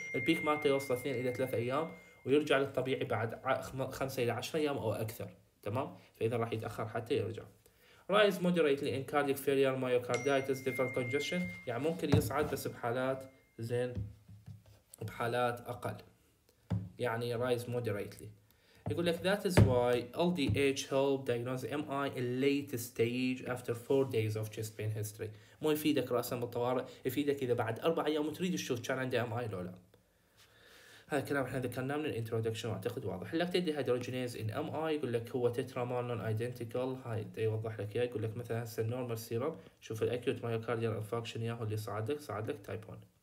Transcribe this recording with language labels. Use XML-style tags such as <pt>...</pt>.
<ar>البيك مالته يوصل 2 الى 3 ايام ويرجع للطبيعي بعد 5 الى 10 ايام او اكثر، تمام؟ فاذا راح يتاخر حتى يرجع.</ar> <en>Rise moderately in cardiac failure, myocarditis, liver congestion.</en> <ar>يعني ممكن يصعد بس بحالات زين، بحالات أقل. يعني</ar> <en>rise moderately.</en> <ar>يقول لك</ar> <en>that is why LDH help diagnose MI in late stage after 4 days of chest pain history.</en> <ar>مو يفيدك رأسا بالطوارئ، يفيدك إذا بعد 4 أيام وتريد تشوف كان عندي MI لو لا. هذا الكلام احنا ذكرناه من الانترودكشن واعتقد واضح. اللاكتيت دي هيدروجينيز ان ام اي يقول لك هو تترامار نون ايدنتيكال، هاي يوضح لك اياه. يقول لك مثلا هسه النورمال سيرم، شوف الاكيوت مايوكارديال انفكشن ياهو اللي صعد لك تايب 1.</ar>